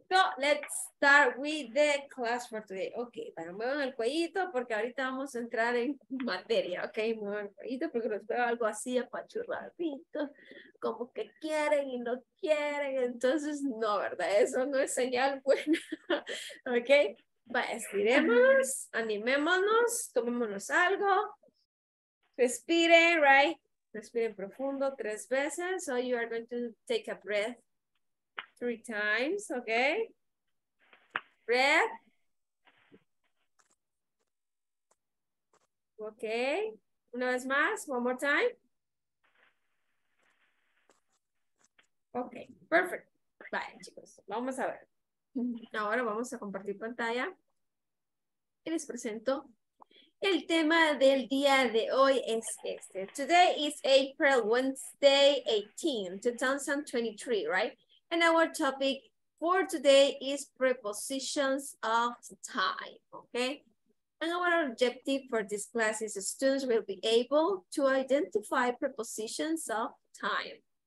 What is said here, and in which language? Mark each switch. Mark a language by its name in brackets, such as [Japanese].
[English] So, let's start with the class for today. [Spanish] Ok, bueno, muevan el cuellito porque ahorita vamos a entrar en materia, ok, muevan el cuellito porque los veo algo así apachurradito, como que quieren y no quieren, entonces no, ¿verdad? Eso no es señal buena, ok, va, estiremos, animémonos, tomémonos algo, respiren, right, respiren profundo tres veces, [English] so you are going to take a breath. Three times, okay? Breath. [Spanish] Okay. Una vez más, [English] one more time. Okay, perfect. [Spanish] Vale, chicos, vamos a ver. Ahora vamos a compartir pantalla. Y les presento el tema del día de hoy es este. [English] Today is April Wednesday 18, 2023, right? And our topic for today is prepositions of time, okay? And our objective for this class is students will be able to identify prepositions of time.